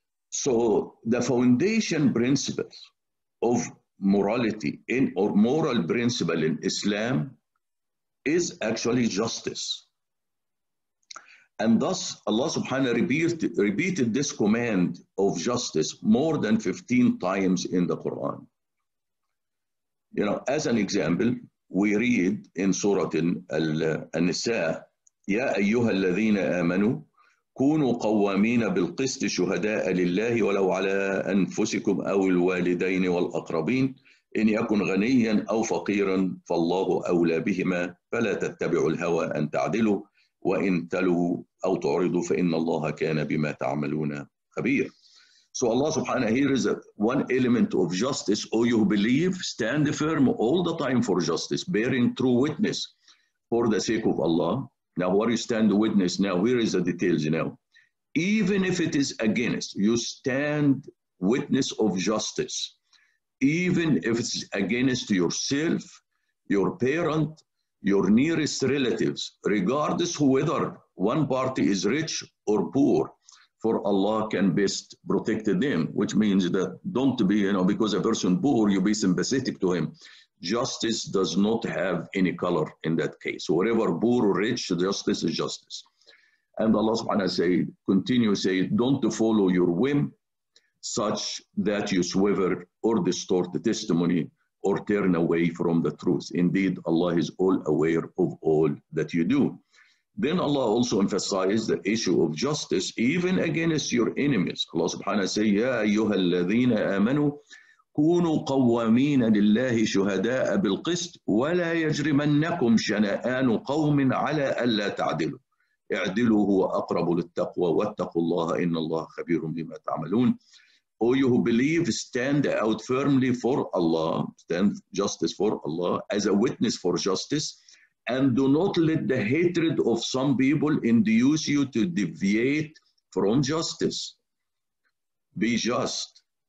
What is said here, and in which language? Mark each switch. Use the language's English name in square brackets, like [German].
[English] So the foundation principle of morality in or moral principle in Islam is actually justice. And thus Allah subhanahu repeated this command of justice more than 15 times in the Quran. You know, as an example, we read in Surah An-Nisa, [Arabic] Ya ayyuha alladhina amanu, كونوا قوامين بالقسط شهداء لله ولو على أنفسكم أو الوالدين والأقربين إن يكن غنيا أو فقيرا فالله أولى بهما فلا تتبعوا الهوى أن تعدلوا وإن تلوا أو تعرضوا فإن الله كان بما تعملون خبير. [English] So Allah subhanahu wa ta'ala, here is one element of justice. Oh, you believe, stand firm all the time for justice, bearing true witness for the sake of Allah. Now, what you stand to witness now, where is the details now? Even if it is against, you stand witness of justice, even if it's against yourself, your parent, your nearest relatives, regardless whether one party is rich or poor, for Allah can best protect them, which means that don't be, you know, because a person poor, you be sympathetic to him. Justice does not have any color in that case. Wherever poor or rich, justice is justice. And Allah subhanahu wa ta'ala say, don't follow your whim such that you swiver or distort the testimony or turn away from the truth. Indeed, Allah is all aware of all that you do. Then Allah also emphasized the issue of justice even against your enemies. Allah subhanahu wa ta'ala say, [Arabic] Ya ayyuha alladhina amanu, كونوا قوامين لله شهداء بالقسط ولا يجرمنكم شنآن قوم على ألا تعدلوا اعدلوا هو أقرب للتقوى واتقوا الله إن الله خبير بما تعملون. [English] O you who believe, stand out firmly for Allah, stand justice for Allah as a witness for justice, and do not let the hatred of some people induce you to deviate from justice. Be just.